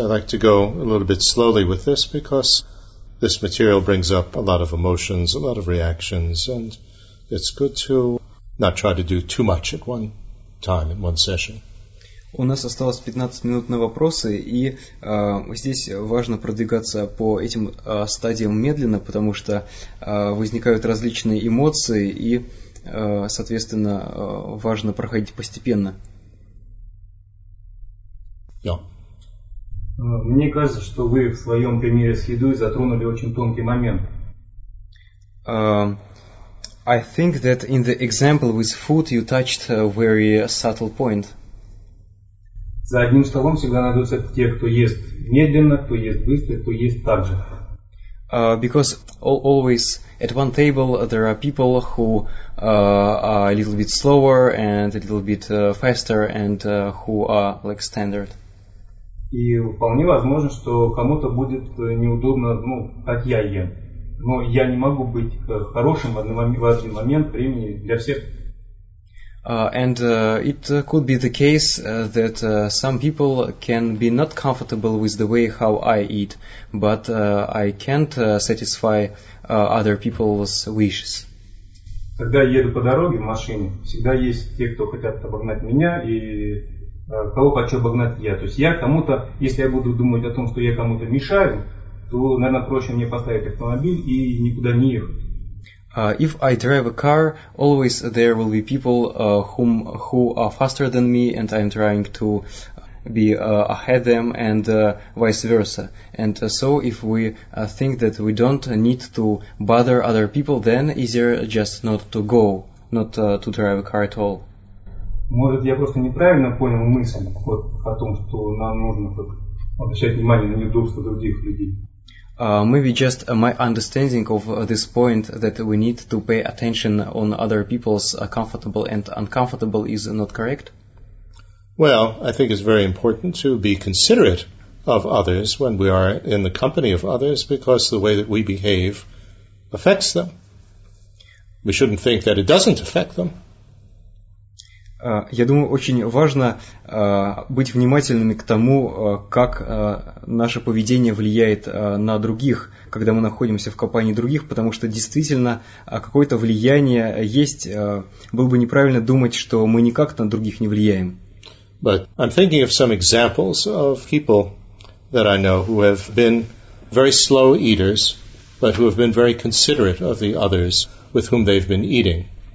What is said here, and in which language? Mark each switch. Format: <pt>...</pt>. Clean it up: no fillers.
<en>I like to go a little bit slowly with this because this material brings up a lot of emotions, a lot of reactions, and it's good to not try to do too much at one time, in one session.</en> <ru>У нас осталось 15 минут на вопросы, и здесь важно продвигаться по этим стадиям медленно, потому что возникают различные эмоции, и, соответственно, важно проходить постепенно. Мне кажется, что вы в своем примере с едой затронули очень тонкий момент.</ru> <en>I think that in the example with food you touched a very subtle point.</en> <ru>За одним столом всегда найдутся те, кто ест медленно, кто ест быстро, кто ест так же.</ru> <en>Because always at one table there are people who are a little bit slower and a little bit faster and who are like standard.</en> <ru>И вполне возможно, что кому-то будет неудобно, ну, как я ем. Но я не могу быть хорошим в один момент времени для всех.</ru> <en>And it could be the case that some people can be not comfortable with the way how I eat, but I can't satisfy other people's wishes.</en> <ru>Когда я еду по дороге в машине, всегда есть те, кто хотят обогнать меня и кого хочу обогнать я. То есть я кому-то, если я буду думать о том, что я кому-то мешаю, то, наверное, проще мне поставить автомобиль и никуда не ехать.</ru> <en>If I drive a car, always there will be people who are faster than me, and I'm trying to be ahead them, and vice versa. And so if we think that we don't need to bother other people, then easier just not to go, not to drive a car at all.</en> <ru>Может, я просто неправильно понял мысль вот о том, что нам нужно как обращать внимание на неудобства других людей. Maybe just my understanding of this point that we need to pay attention on other people's comfortable and uncomfortable is not correct?</ru> <en>Well, I think it's very important to be considerate of others when we are in the company of others, because the way that we behave affects them. We shouldn't think that it doesn't affect them.</en> <ru>Я думаю, очень важно быть внимательными к тому, как наше поведение влияет на других, когда мы находимся в компании других, потому что действительно какое-то влияние есть. Было бы неправильно думать, что мы никак на других не влияем.</ru> <en>But I'm thinking of some examples of people that I know who have been very slow eaters, but who have been very considerate of the others with whom they've been eating.</en>